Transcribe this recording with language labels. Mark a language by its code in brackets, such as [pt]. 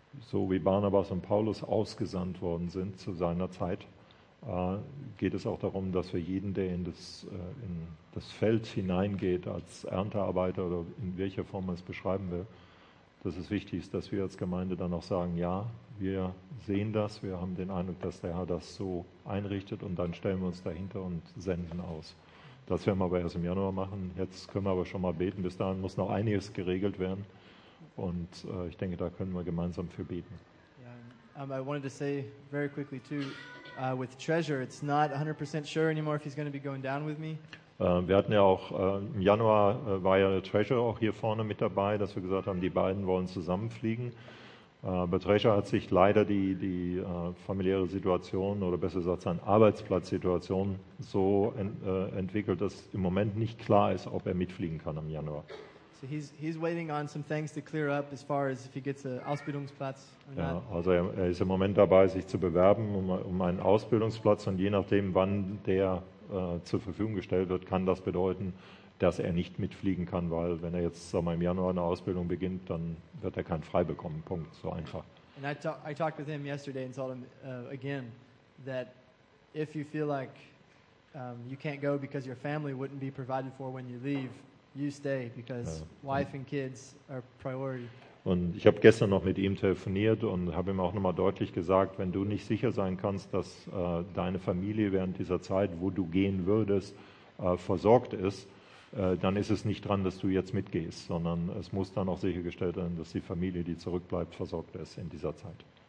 [de] So wie Barnabas und Paulus ausgesandt worden sind zu seiner Zeit, geht es auch darum, dass wir jeden, der in das Feld hineingeht, als Erntearbeiter oder in welcher Form man es beschreiben will, dass es wichtig ist, dass wir als Gemeinde dann auch sagen, ja, wir sehen das, wir haben den Eindruck, dass der Herr das so einrichtet, und dann stellen wir uns dahinter und senden aus. Das werden wir aber erst im Januar machen. Jetzt können wir aber schon mal beten. Bis dahin muss noch einiges geregelt werden. Und ich denke, da können wir gemeinsam für beten. [en] Yeah, I wanted to say very quickly too, with Treasure, it's not 100% sure anymore if he's going to be going down with me. [de] Wir hatten ja auch, im Januar war ja Treasure auch hier vorne mit dabei, dass wir gesagt haben, die beiden wollen zusammenfliegen. Aber Treasure hat sich leider die familiäre Situation oder besser gesagt seine Arbeitsplatzsituation so entwickelt, dass im Moment nicht klar ist, ob er mitfliegen kann im Januar. [en] So he's waiting on some things to clear up as far as if he gets an Ausbildungsplatz or not. [de] Also er ist im Moment dabei, sich zu bewerben um einen Ausbildungsplatz, und je nachdem, wann der zur Verfügung gestellt wird, kann das bedeuten, dass er nicht mitfliegen kann, weil wenn er jetzt, sagen wir, im Januar eine Ausbildung beginnt, dann wird er keinen frei bekommen. Punkt. So einfach. [en] And I talked with him yesterday and told him again that if you feel like you can't go because your family wouldn't be provided for when you leave, you stay, because wife and kids are priority. [de] Und ich habe gestern noch mit ihm telefoniert und habe ihm auch nochmal deutlich gesagt, wenn du nicht sicher sein kannst, dass deine Familie während dieser Zeit, wo du gehen würdest, versorgt ist, dann ist es nicht dran, dass du jetzt mitgehst, sondern es muss dann auch sichergestellt werden, dass die Familie, die zurückbleibt, versorgt ist in dieser Zeit.